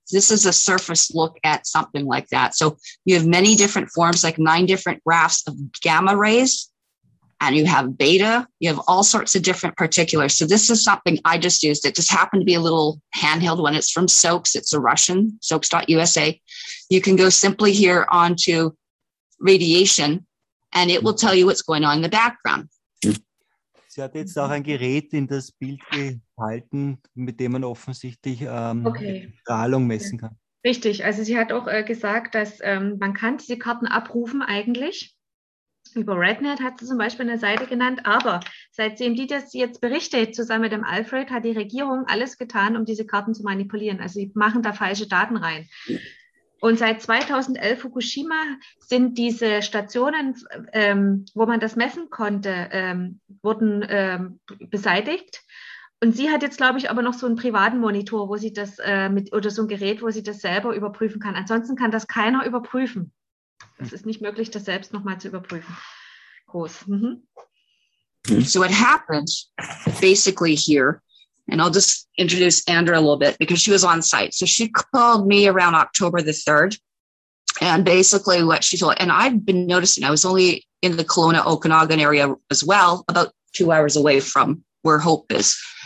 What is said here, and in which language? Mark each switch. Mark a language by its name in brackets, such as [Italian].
[English] This is a surface look at something like that. So you have many different forms, like 9 different graphs of gamma rays, and you have beta, you have all sorts of different particulars. So this is something I just used. It just happened to be a little handheld one. It's from Soaks. It's a Russian, Soaks.usa. You can go simply here onto radiation, and it will tell you what's going on in the background. [German] Sie hat jetzt auch ein Gerät in das Bild gehalten, mit dem man offensichtlich Strahlung messen kann. Richtig. Also sie hat auch gesagt, dass man kann diese Karten abrufen eigentlich. Über RedNet hat sie zum Beispiel eine Seite genannt, aber seitdem die das jetzt berichtet, zusammen mit dem Alfred, hat die Regierung alles getan, um diese Karten zu manipulieren. Also sie machen da falsche Daten rein. Und seit 2011 Fukushima sind diese Stationen, wo man das messen konnte, wurden beseitigt. Und sie hat jetzt, glaube ich, aber noch so einen privaten Monitor, wo sie das oder so ein Gerät, wo sie das selber überprüfen kann. Ansonsten kann das keiner überprüfen. Es ist nicht möglich, das selbst nochmal zu überprüfen. Groß. [English] So what happened basically here, and I'll just introduce Andrea a little bit because she was on site. So she called me around October the 3rd. And basically what she told, and I've been noticing, I was only in the Kelowna, Okanagan area as well, about 2 hours away from where Hope is.